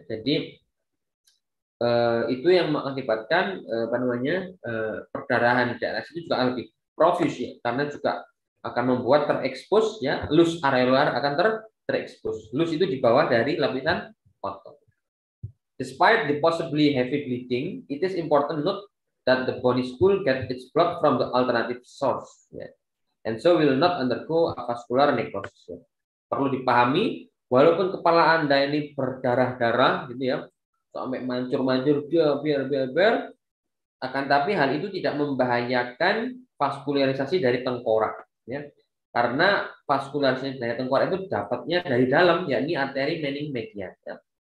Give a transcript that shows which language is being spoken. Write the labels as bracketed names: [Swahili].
[Indonesian] Jadi itu yang mengakibatkan apa namanya perdarahan di daerah situ juga lebih profus ya, karena juga akan membuat terekspos ya, lus areolar akan terekspos. Lus itu di bawah dari lapisan otot. [English] Despite the possibly heavy bleeding, it is important to note that the bony skull get its blood from the alternative source ya. And so will not undergo a vascular necrosis. Ya. [Indonesian] Perlu dipahami, walaupun kepala Anda ini berdarah-darah gitu ya, sampai mancur-mancur biar akan tapi hal itu tidak membahayakan vaskularisasi dari tengkorak ya, karena vaskularisasi dari tengkorak itu dapatnya dari dalam yakni arteri meningmedia ya.